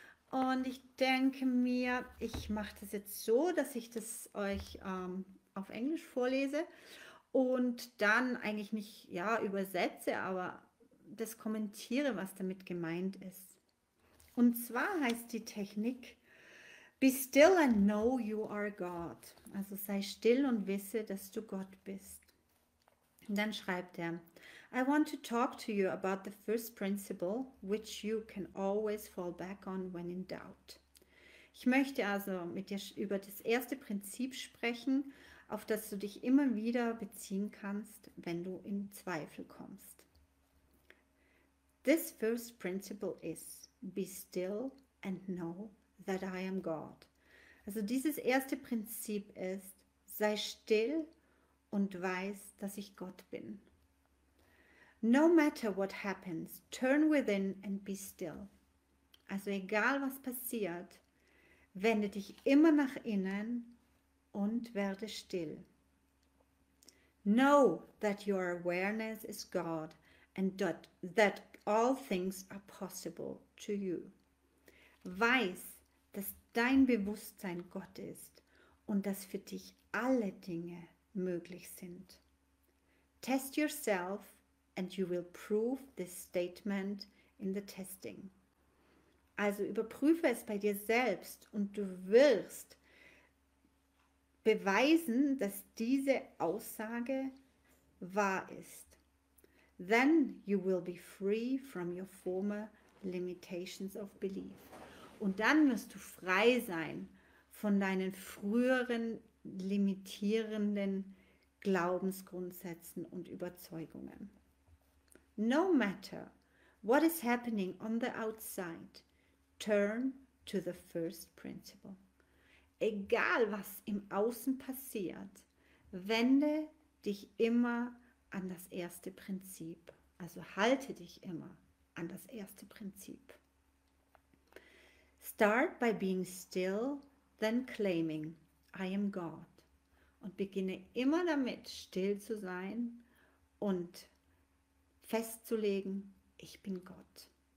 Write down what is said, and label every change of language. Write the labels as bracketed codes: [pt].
[de] Und ich denke mir, ich mache das jetzt so, dass ich das euch auf Englisch vorlese und dann eigentlich nicht, ja, übersetze, aber das kommentiere, was damit gemeint ist. Und zwar heißt die Technik: [en] Be still and know you are God. [de] Also sei still und wisse, dass du Gott bist. Und dann schreibt er: [en] I want to talk to you about the first principle, which you can always fall back on when in doubt. [de] Ich möchte also mit dir über das erste Prinzip sprechen, auf das du dich immer wieder beziehen kannst, wenn du in Zweifel kommst. [en] This first principle is: Be still and know that I am God. [de] Also dieses erste Prinzip ist: Sei still und weiß, dass ich Gott bin. [en] No matter what happens, turn within and be still. [de] Also egal was passiert, wende dich immer nach innen und werde still. [en] Know that your awareness is God and that all things are possible to you. [de] Weiß, dass dein Bewusstsein Gott ist und dass für dich alle Dinge möglich sind. [en] Test yourself and you will prove this statement in the testing. [de] Also überprüfe es bei dir selbst und du wirst beweisen, dass diese Aussage wahr ist. [en] Then you will be free from your former limitations of belief. [de] Und dann wirst du frei sein von deinen früheren limitierenden Glaubensgrundsätzen und Überzeugungen. [en] No matter what is happening on the outside, turn to the first principle. [de] Egal was im Außen passiert, wende dich immer an das erste Prinzip. Also halte dich immer an das erste Prinzip. [en] Start by being still, then claiming, I am God. [de] Und beginne immer damit, still zu sein und festzulegen, ich bin Gott.